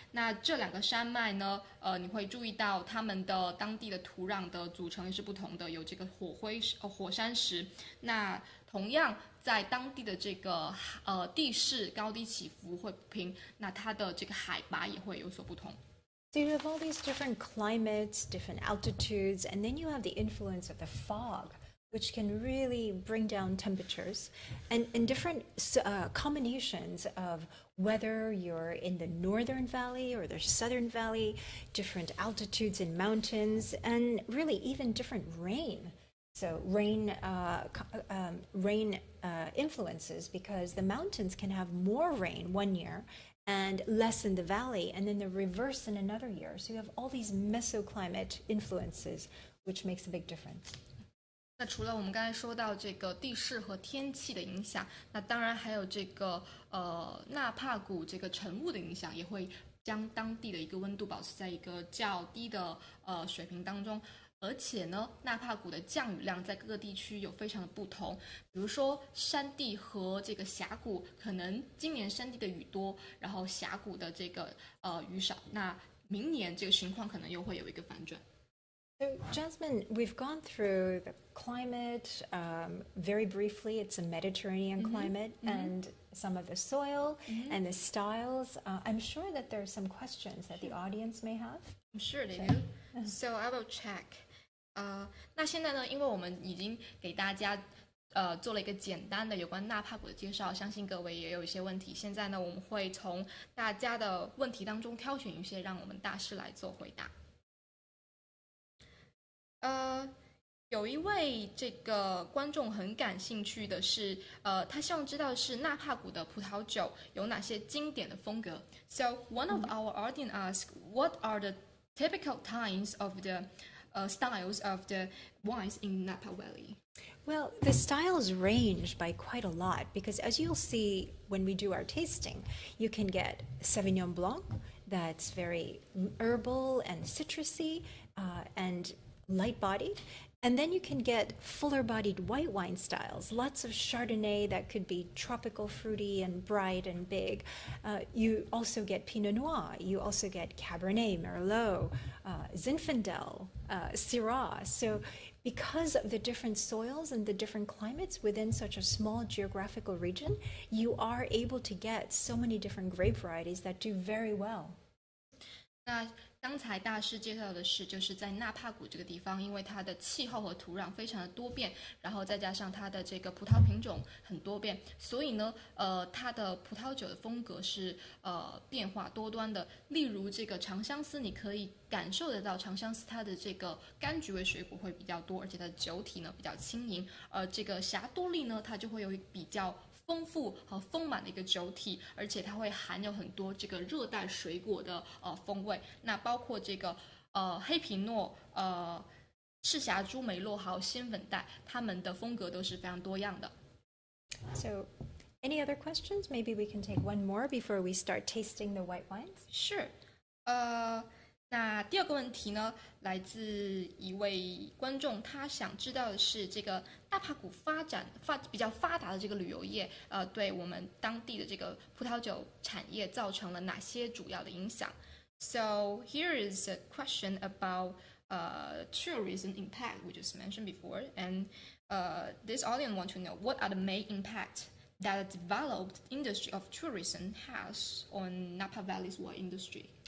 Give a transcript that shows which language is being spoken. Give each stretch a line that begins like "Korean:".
Chinese: 那这两个山脉呢，你会注意到它们的当地的土壤的组成是不同的，有这个火山石。那同样在当地的这个地势高低起伏会不平，那它的这个海拔也会有所不同。
English: So you have all these different climates, different altitudes, and then you have the influence of the fog. Which can really bring down temperatures. And different combinations of whether you're in the northern valley or the southern valley, different altitudes in mountains, and really even different rain. So rain influences, because the mountains can have more rain one year and less in the valley, and then the reverse in another year. So you have all these mesoclimate influences, which makes a big difference.
Chinese: 那除了我们刚才说到这个地势和天气的影响，那当然还有这个纳帕谷这个晨雾的影响，也会将当地的一个温度保持在一个较低的水平当中。而且呢，纳帕谷的降雨量在各个地区有非常的不同，比如说山地和这个峡谷，可能今年山地的雨多，然后峡谷的这个雨少，那明年这个情况可能又会有一个反转。
English: So Jasmine, we've gone through the climate very briefly. It's a Mediterranean climate mm-hmm. and some of the soil mm-hmm. and the styles. I'm sure that there are some questions that the audience may have. I'm sure they do. So I will check.
Chinese: 那现在呢，因为我们已经给大家做了一个简单的有关纳帕谷的介绍，相信各位也有一些问题。现在呢，我们会从大家的问题当中挑选一些，让我们大师来做回答。有一位这个观众很感兴趣的是，他希望知道是纳帕谷的葡萄酒有哪些经典的风格。
English: So one of our audience asks, what are the typical times of the styles of the wines in Napa Valley? Well, the styles range by quite a lot, because as you'll see when we do our tasting, you can get Sauvignon Blanc that's very herbal and citrusy, and light-bodied, and then you can get fuller-bodied white wine styles, lots of Chardonnay that could be tropical fruity and bright and big. You also get Pinot Noir, you also get Cabernet, Merlot, Zinfandel, Syrah. So because of the different soils and the different climates within such a small geographical region, you are able to get so many different grape varieties that do very well. 那
Chinese: 刚才大师介绍的是就是在纳帕谷这个地方，因为它的气候和土壤非常的多变，然后再加上它的这个葡萄品种很多变，所以呢它的葡萄酒的风格是变化多端的。例如这个长相思，你可以感受得到长相思它的这个柑橘味水果会比较多，而且它的酒体呢比较轻盈，而这个霞多丽呢它就会有比较丰富和丰满的一个酒体，而且它会含有很多这个热带水果的风味。那包括这个黑皮诺、赤霞珠梅洛还有仙粉黛，它们的风格都是非常多样的。
English: So, any other questions? Maybe we can take one more before we start tasting the white wines. Sure.
Chinese: 那第二个问题呢，来自一位观众，他想知道的是这个纳帕谷比较发达的这个旅游业，对我们当地的这个葡萄酒产业造成了哪些主要的影响。
English: So here is a question about tourism impact we just mentioned before, and this audience want to know what are the main impact that the developed industry of tourism has on Napa Valley's wine industry.